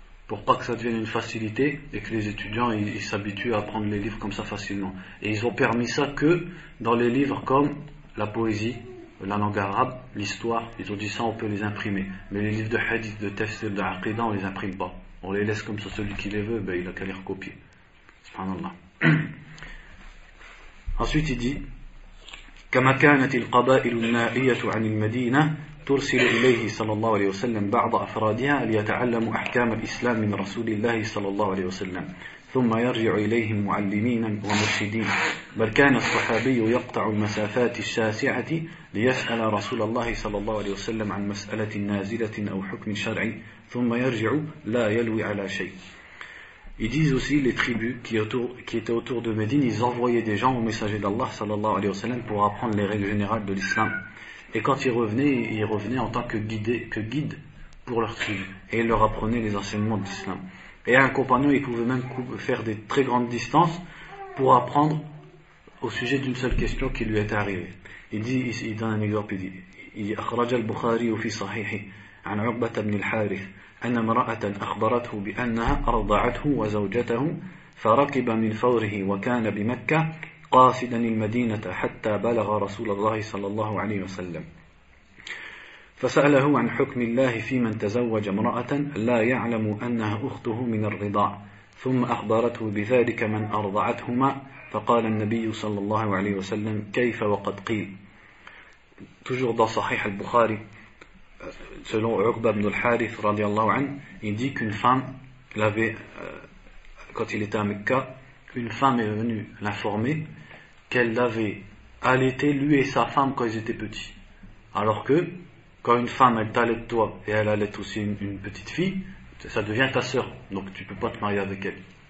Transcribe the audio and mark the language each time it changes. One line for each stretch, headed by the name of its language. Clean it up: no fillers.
French: Pour pas que ça devienne une facilité et que les étudiants ils s'habituent à prendre les livres comme ça facilement. Et ils ont permis ça que dans les livres comme la poésie, la langue arabe, l'histoire, ils ont dit ça, on peut les imprimer. Mais les livres de hadith, de tafsir, de aqidah, on les imprime pas. On les laisse comme ça, celui qui les veut, ben, il a qu'à les recopier. Subhanallah. Ensuite il dit
Arabic: « كما كانت القبائل النائية عن المدينة » ترسل إليه صلى الله عليه وسلم بعض أفرادها ليتعلموا أحكام الإسلام من رسول الله صلى الله عليه وسلم ثم يرجع إليهم معلمين ومرشدين بل كان الصحابي يقطع المسافات الشاسعة ليسأل رسول الله صلى الله عليه وسلم عن مسألة نازلة أو حكم شرعي ثم يرجع لا يلوي على شيء.
French: Ils disent aussi les tribus qui étaient autour de Médine, ils envoyaient des gens au messager d'Allah
Arabic: صلى الله عليه وسلم
French: pour apprendre les règles générales de l'islam. Et quand ils revenaient en tant que guide pour leur tribu. Et ils leur apprenaient les enseignements de l'islam. Et un compagnon, il pouvait même faire des très grandes distances pour apprendre au sujet d'une seule question qui lui était arrivée. Il donne un exemple, il dit
Arabic: « أخرج البخاري في صحيحه عن عقبة بن الحارث أن امرأة أخبرته بأنها أرضعته وزوجته فركب من فوره وكان بمكة قاصدا المدينة حتى بلغ رسول الله صلى الله عليه وسلم فسأله عن حكم الله في من تزوج امرأة لا يعلم أنها أخته من الرضاع ثم أخبرته بذلك من أرضعتهما فقال النبي صلى الله عليه وسلم كيف وقد قيل.
French: Toujours dans Sahih al-Bukhari, selon Uqba ibn al-Harith
Arabic: radiallahu an,
French: il dit qu'une femme l'avait, quand il était à Mecca, une femme est venue l'informer qu'elle l'avait allaité lui et sa femme quand ils étaient petits. Alors que quand une femme elle t'allaite toi et elle allaite aussi une petite fille, ça devient ta sœur, donc tu peux pas te marier avec elle.